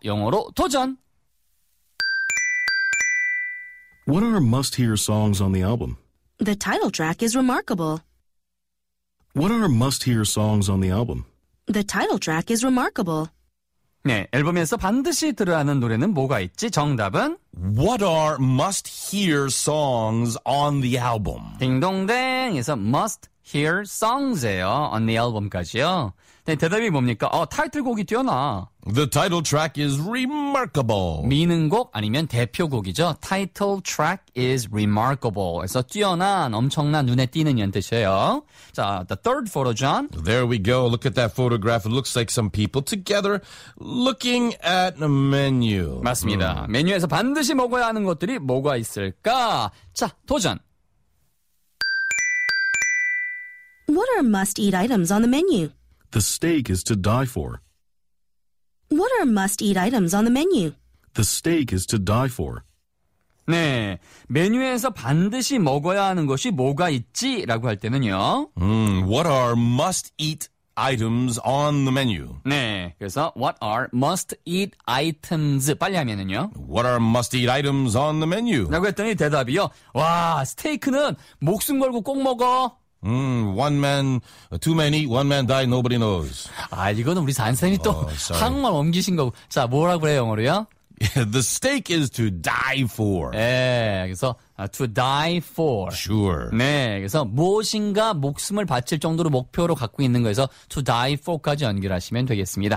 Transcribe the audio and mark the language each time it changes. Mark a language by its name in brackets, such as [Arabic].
[Korean] 영어로 도전! [English] What are must-hear songs on the album? The title track is remarkable. What are must-hear songs on the album? The title track is remarkable. [Korean] 네, 앨범에서 반드시 들어야 하는 노래는 뭐가 있지? 정답은? [English] What are must-hear songs on the album? [Korean] 딩동댕에서 [English] must-hear songs [Korean] 예요. [English] On the album [Korean] 까지요. 네, 대답이 뭡니까? 타이틀곡이 뛰어나. [English] The title track is remarkable. [Korean] 미는곡 아니면 대표곡이죠. [English] Title track is remarkable. [Korean] 그래서 뛰어난, 엄청난, 눈에 띄는 이런 뜻이에요. 자, [English] the third photo, John. There we go. Look at that photograph. It looks like some people together looking at a menu. [Korean] 맞습니다. 메뉴에서 반드시 먹어야 하는 것들이 뭐가 있을까? 자, 도전. [English] What are must-eat items on the menu? The steak is to die for. What are must-eat items on the menu? The steak is to die for. [Korean] 네, 메뉴에서 반드시 먹어야 하는 것이 뭐가 있지? 라고 할 때는요. [English] What are must-eat items on the menu? [Korean] 네, 그래서 [English] what are must-eat items? [Korean] 빨리 하면은요. [English] What are must-eat items on the menu? [Korean] 라고 했더니 대답이요. 와, 스테이크는 목숨 걸고 꼭 먹어. [English] One man, too many, one man die, nobody knows. [Korean] 아, 이거는 우리 잔쌤이 또 한국말 옮기신 거고. 자, 뭐라고 그래요, 영어로요? [English] The steak is to die for. [Korean] 예, 그래서 [English] to die for. Sure. [Korean] 네, 그래서 무엇인가 목숨을 바칠 정도로 목표로 갖고 있는 거에서 [English] to die for [Korean] 까지 연결하시면 되겠습니다.